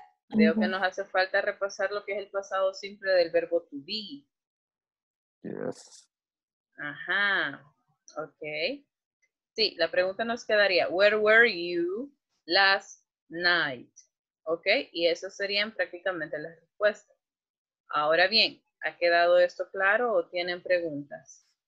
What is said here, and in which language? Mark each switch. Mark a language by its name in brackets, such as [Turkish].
[Spanish] Creo que nos hace falta repasar lo que es el pasado simple del verbo to be. Yes. Ajá. Okay. Sí, la pregunta nos quedaría, [English] where were you last night? [Spanish] Okay, y esas serían prácticamente las respuestas. Ahora bien, ¿ha quedado esto claro o tienen preguntas?